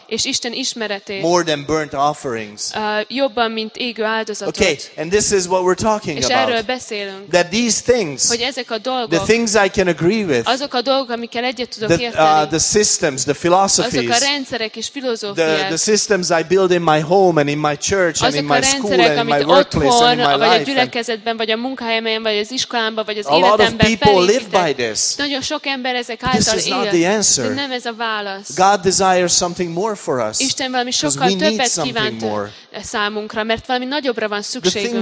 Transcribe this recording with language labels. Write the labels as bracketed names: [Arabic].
[Hungarian] És Isten ismeretét. [English] More than burnt offerings. [Hungarian] Jobban mint égő áldozatot. [English] Okay, and this is what we're talking [Hungarian] és [English] about. [Hungarian] És erről beszélünk. [English] That these things. [Hungarian] Hogy ezek a dolgok. [English] The things I can agree with. [Hungarian] Azok a dolgok, amikkel egyet tudok érteni. [English] The system. The philosophies, [Hungarian] azok a rendszerek és filozófiák. [English] The systems I build in my home and in my church and in my school and in my workplace [Hungarian] otthon, [English] and in my life. [Hungarian] Vagy a gyülekezetben, vagy a munkahelyemen, vagy az iskolámban, vagy az [English] a lot of people live by this. [Hungarian] Nagyon sok ember ezek [English] this [Hungarian] által [English] is not [Hungarian] él. [English] The answer. [Hungarian] De nem ez a válasz. [English] God desires something more for us. [Hungarian] Isten valami sokkal többet kíván számunkra, mert valami nagyobbra van szükségünk.